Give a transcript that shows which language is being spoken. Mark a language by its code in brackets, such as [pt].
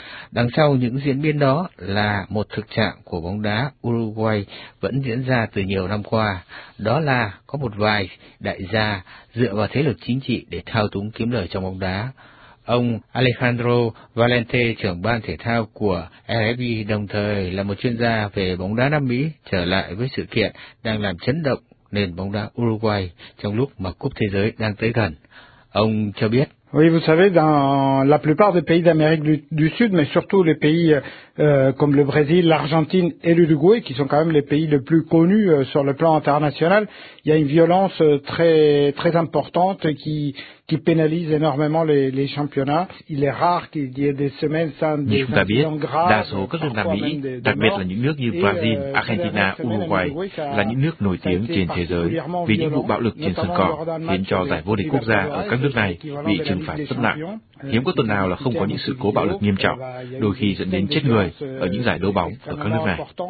[vi] Đằng sau những diễn biến đó là một thực trạng của bóng đá Uruguay vẫn diễn ra từ nhiều năm qua, đó là có một vài đại gia dựa vào thế lực chính trị để thao túng kiếm lời trong bóng đá. Ông Alejandro Valente, trưởng ban thể thao của LFB, đồng thời là một chuyên gia về bóng đá Nam Mỹ, trở lại với sự kiện đang làm chấn động nền bóng đá Uruguay trong lúc mà Cúp Thế giới đang tới gần. Ông cho biết. [fr] Oui, vous savez, dans la plupart des pays d'Amérique du Sud, mais surtout les pays comme le Brésil, l'Argentine et l'Uruguay, qui sont quand même les pays les plus connus sur le plan international, il y a une violence très très importante qui pénalise énormément les championnats. Il est rare qu'il y ait des semaines sans des incidents graves. [vi] Đa số các nước Nam Mỹ, đặc biệt là những nước như Brazil, Argentina, Uruguay, là những nước nổi tiếng trên thế giới vì những vụ bạo lực trên sân cỏ khiến cho giải vô địch quốc gia ở các nước này bị trừng phạt rất nặng. Hiếm có tuần nào là không có những sự cố bạo lực nghiêm trọng, đôi khi dẫn đến chết người ở những giải đấu bóng ở các nước này.